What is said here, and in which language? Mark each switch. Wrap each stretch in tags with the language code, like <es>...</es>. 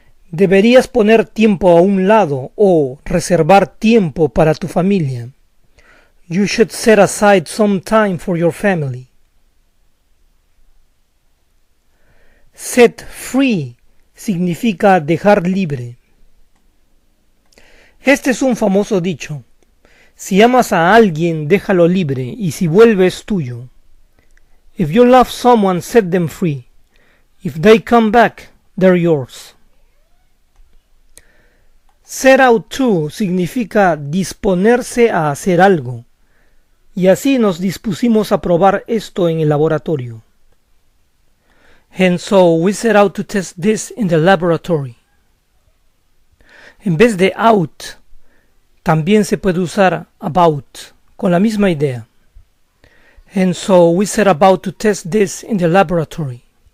<es>Deberías poner tiempo a un lado o reservar tiempo para tu familia.</es> <en>You should set aside some time for your family. Set free</en> <es>significa dejar libre. Este es un famoso dicho. Si amas a alguien, déjalo libre, y si vuelve es tuyo.</es> <en>If you love someone, set them free. If they come back, they're yours. Set out to</en> <es>significa disponerse a hacer algo. Y así nos dispusimos a probar esto en el laboratorio.</es> <en>And so we set out to test this in the laboratory.</en> <es>En vez de out, también se puede usar about, con la misma idea.</es> <en>And so we set about to test this in the laboratory.</en>